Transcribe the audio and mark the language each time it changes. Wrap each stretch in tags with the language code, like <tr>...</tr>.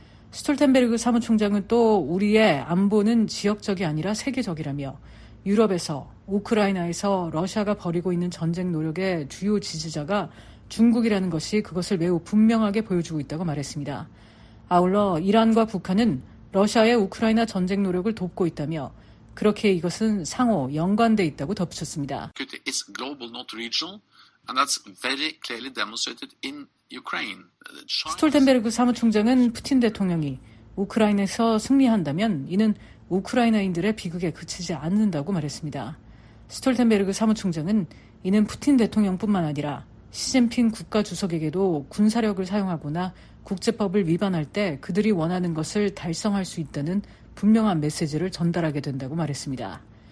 <ko>스톨텐베르그 사무총장은 또 우리의 안보는 지역적이 아니라 세계적이라며 유럽에서 우크라이나에서 러시아가 벌이고 있는 전쟁 노력의 주요 지지자가 중국이라는 것이 그것을 매우 분명하게 보여주고 있다고 말했습니다. 아울러 이란과 북한은 러시아의 우크라이나 전쟁 노력을 돕고 있다며 그렇게 이것은 상호 연관돼 있다고 덧붙였습니다.</ko> <en>It's global, not regional, and that's very clearly demonstrated in Ukraine.</en> <ko>스톨텐베르그 사무총장은 푸틴 대통령이 우크라이나에서 승리한다면 이는 우크라이나인들의 비극에 그치지 않는다고 말했습니다. 스톨텐베르그 사무총장은 이는 푸틴 대통령뿐만 아니라 시진핑 국가주석에게도 군사력을 사용하거나 국제법을 위반할 때 그들이 원하는 것을 달성할 수 있다는 분명한 메시지를 전달하게 된다고 말했습니다.</ko>